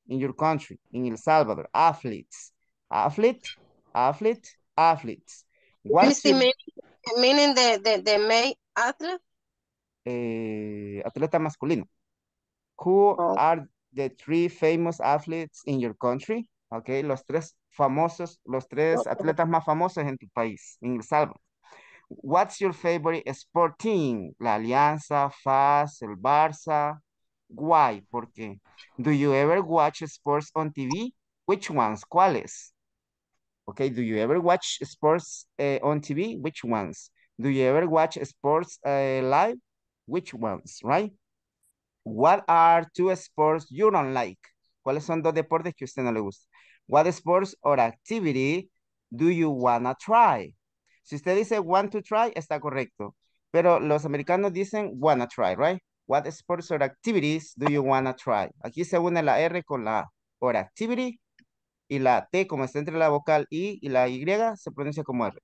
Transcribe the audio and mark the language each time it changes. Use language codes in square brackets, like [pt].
[en] In your country. In El Salvador. Athletes. Athlete. Athlete. Athletes. What is the meaning the male athlete? [es] Atleta masculino. [en] Who are the three famous athletes in your country? [es] Okay, los tres famosos, los tres atletas más famosos en tu país, en El Salvador. [en] What's your favorite sport team? La Alianza, FAS, el Barça. Why? [es] ¿Por qué? [en] Do you ever watch sports on TV? Which ones? [es] ¿Cuáles? [en] Okay, do you ever watch sports on TV? Which ones? Do you ever watch sports live? Which ones, right? What are two sports you don't like? [es] ¿Cuáles son dos deportes que usted no le gusta? [en] What sports or activity do you wanna try? [es] Si usted dice want to try, está correcto. Pero los americanos dicen wanna try, right? [en] What sports or activities do you wanna try? [es] Aquí se une la R con la A. [en] Or activity. [es] Y la T, como está entre la vocal I y la Y, se pronuncia como R.